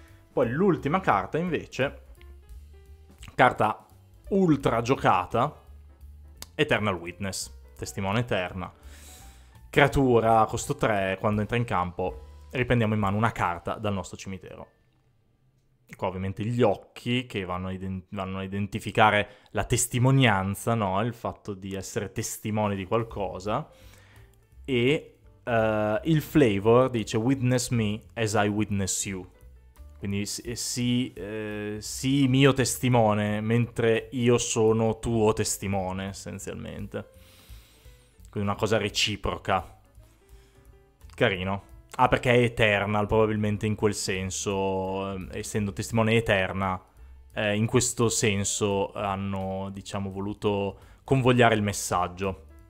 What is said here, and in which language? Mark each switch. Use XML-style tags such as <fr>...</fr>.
<it>Poi l'ultima carta invece, carta ultra giocata, Eternal Witness, testimone eterna. Creatura, costo 3, quando entra in campo, riprendiamo in mano una carta dal nostro cimitero. Qua ovviamente gli occhi che vanno a identificare la testimonianza, no? Il fatto di essere testimoni di qualcosa. E il flavor dice</it> <en>Witness me as I witness you.</en> <it>Quindi sii mio testimone mentre io sono tuo testimone, essenzialmente. Quindi una cosa reciproca. Carino. Ah, perché è Eternal, probabilmente in quel senso, essendo testimone eterna, in questo senso hanno, diciamo, voluto convogliare il messaggio.</it>